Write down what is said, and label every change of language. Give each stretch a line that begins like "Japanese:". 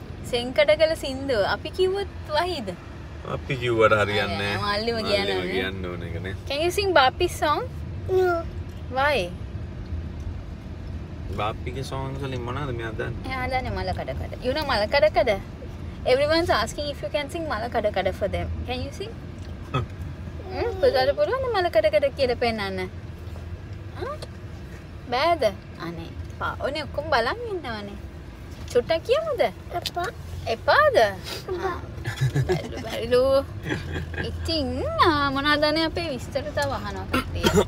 Sinhala: සෙන්කඩගල සින්දුව අපි කිව්වොත් වහයිද අපි කිව්වට හරියන්නේ නැහැ මල්ලිම කියනවා නේ කියන්න ඕන එක නේ
English: can you sing bappi song no why
Sinhala: බාප්පිගේ songs වලින් මොනවද මෙයා දන්නේ? එයා දන්නේ මලකඩකඩ.
English: You know මලකඩකඩ? Everyone's asking if you can sing මලකඩකඩ for them. Can you sing?
Sinhala: පුතාට පුළුවන් මලකඩකඩ කියලා පෙන්නන්න. බෑද? අනේ. පා. ඔනේ ඔක්කොම බලන් ඉන්නවනේ. චුට්ටක් කියමුද? එපා. එපාද? බැලු. ඉතින් මොනවද අනේ අපේ විස්තර තව අහනවා කට්ටිය.